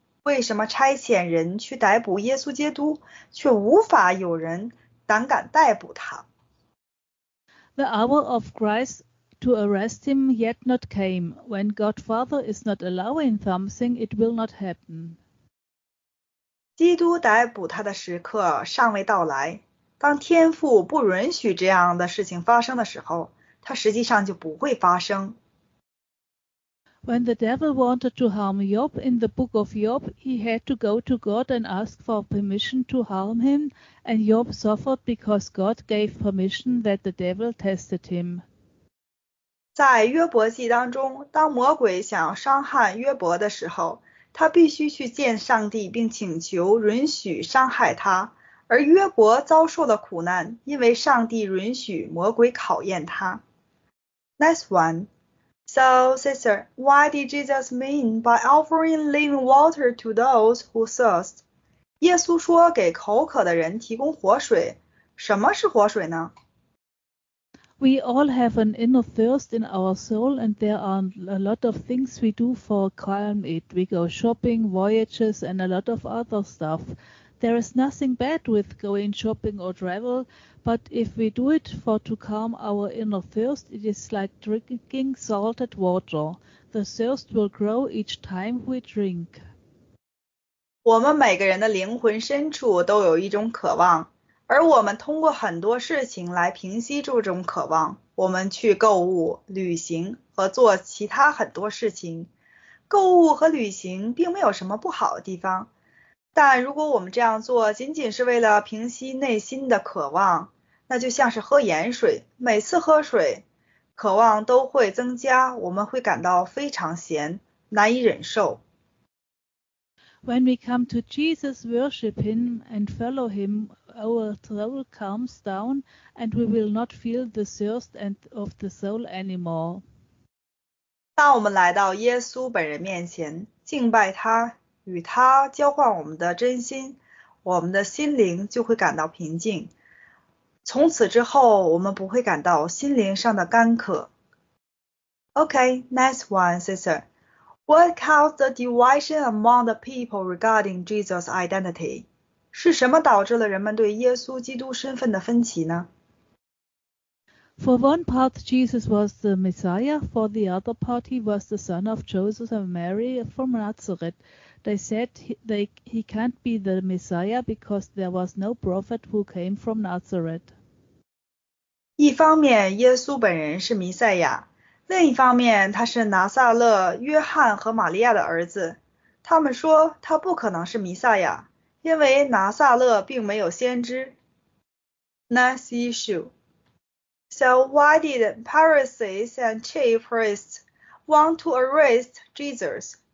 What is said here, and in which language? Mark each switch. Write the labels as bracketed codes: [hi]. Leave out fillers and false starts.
[zh] 为什么差遣人去逮捕耶稣基督，却无法有人胆敢逮捕他？ [en] The hour of Christ to arrest him yet not came. When God Father is not allowing something, it will not happen. [zh] 基督逮捕他的时刻尚未到来。当天父不允许这样的事情发生的时候，它实际上就不会发生。 [en] When the devil wanted to harm Job in the book of Job, he had to go to God and ask for permission to harm him, and Job suffered because God gave permission that the devil tested him. [zh] 在约伯记当中，当魔鬼想要伤害约伯的时候，他必须去见上帝并请求允许伤害他，而约伯遭受了苦难，因为上帝允许魔鬼考验他。 [en] Next one. So, sister, why did Jesus mean by offering living water to those who thirst? [zh] 耶稣说给口渴的人提供活水，什么是活水呢？ [en] We all have an inner thirst in our soul, and there are a lot of things we do for calm it. We go shopping, voyages, and a lot of other stuff. There is nothing bad with going shopping or travel, but if we do it for to calm our inner thirst, it is like drinking salted water. The thirst will grow each time we drink. [zh] 我们每个人的灵魂深处都有一种渴望。而我们通过很多事情来平息这种渴望，我们去购物、旅行和做其他很多事情。购物和旅行并没有什么不好的地方，但如果我们这样做仅仅是为了平息内心的渴望，那就像是喝盐水，每次喝水，渴望都会增加，我们会感到非常咸，难以忍受。 [en] When we come to Jesus, worship him, and follow him, our soul calms down, and we will not feel the thirst of the soul anymore. [zh] 当我们来到耶稣本人面前，敬拜他，与他交换我们的真心，我们的心灵就会感到平静。从此之后，我们不会感到心灵上的干渴。 [en] Okay, next one, sister. What caused the division among the people regarding Jesus' identity? [zh] 是什么导致了人们对耶稣基督身份的分歧呢？ [en] For one part, Jesus was the Messiah. For the other part, he was the son of Joseph and Mary from Nazareth. They said he can't be the Messiah because there was no prophet who came from Nazareth. [zh] 一方面，耶稣本人是弥赛亚。另一方面，他是拿撒勒约翰和玛利亚的儿子。他们说他不可能是弥赛亚，因为拿撒勒并没有先知。 [en] Next issue. So why did Pharisees and chief priests want to arrest Jesus?